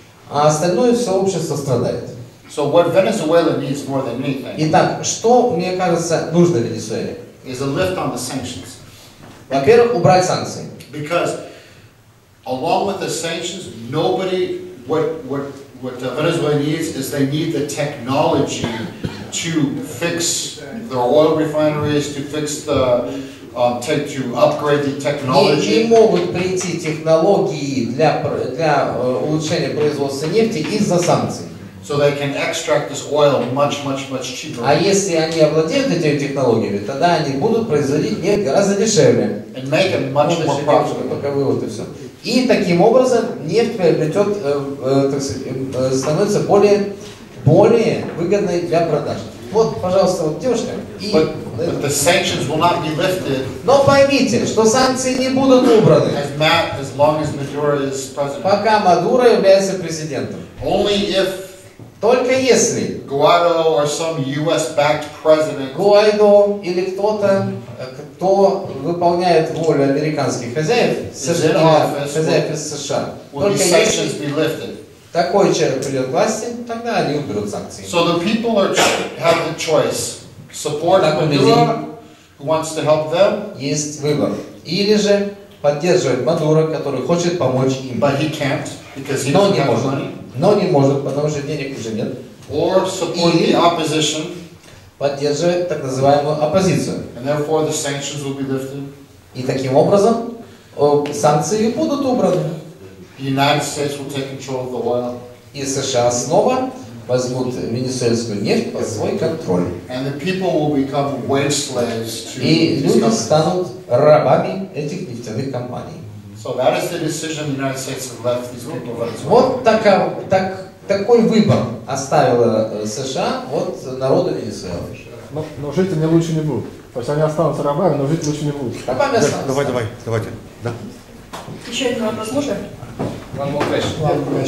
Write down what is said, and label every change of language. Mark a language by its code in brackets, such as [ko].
[ru] А остальное все общество страдает. [en] So what Venezuela needs more than anything. [ru] Итак, что, мне кажется, нужно Венесуэле? [en] Is a lift on the sanctions. [ru] Во-первых, убрать санкции. [en] Because along with the sanctions, nobody what Venezuela needs is they need the technology to fix their oil refineries, to fix the to upgrade the technology. [ru] Не могут прийти технологии для улучшения производства нефти из-за санкций. [en] So they can extract this oil much, much, much cheaper. [ru] А если они овладеют этими технологиями, тогда они будут производить нефть гораздо дешевле. [en] And make it much more profitable. [ru] Вот и все. И таким образом нефть приобретет, так сказать, становится более выгодной для продажи. Вот, пожалуйста, вот девушка. [en] But the sanctions will not be lifted. [ru] Но поймите, что санкции не будут убраны. [en] As long as Maduro is president. [ru] Пока Мадуро является президентом. [en] Only if. [ru] Только если. [en] Guaido or some U.S.-backed president. [ru] Guaido или кто-то, кто выполняет волю американских хозяев. Хозяев из США. [en] Will the sanctions be lifted? [ru] Такой человек придет к власти, тогда они уберут санкции. [en] So the people have the choice. Support Maduro, who wants to help them. [ru] Есть выбор. Или же поддерживать Мадуро, который хочет помочь им. [en] But he can't, because he doesn't have money. [ru] Но не может, потому что денег уже нет. [en] Or support the opposition. [ru] Поддерживать так называемую оппозицию. [en] And therefore the sanctions will be lifted. [ru] И таким образом санкции будут убраны. [en] The United States will take control of the oil. [ru] И США снова возьмут венесуэльскую нефть под свой контроль. [en] And the people will become wage slaves to. [ru] И люди станут рабами этих нефтяных компаний. [en] So that is the decision the United States has left these people Venezuela. [ru] Вот такой выбор оставила США от народа Венесуэлы. Но жить они лучше не будут. То есть они останутся рабами, но жить лучше не будут. Рабами останутся. Давайте. Да. Еще один вопрос можно? Ладно,